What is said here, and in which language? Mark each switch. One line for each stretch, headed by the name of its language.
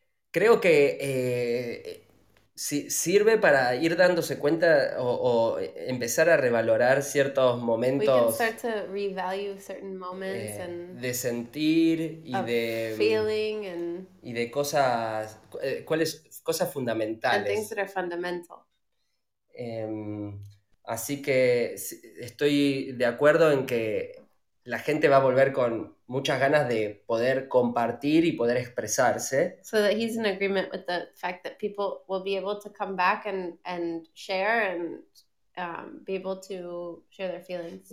Spanish: Creo que sirve para ir dándose cuenta o empezar a revalorar ciertos momentos.
English: We can start to revalue certain moments and
Spanish: de sentir y de
English: feeling and
Spanish: y de cosas, cuáles cosas fundamentales.
English: And things that are fundamental.
Spanish: Así que estoy de acuerdo en que la gente va a volver con muchas ganas de poder compartir y poder expresarse.
English: So that he's in agreement with the fact that people will be able to come back and share and be able to share their feelings.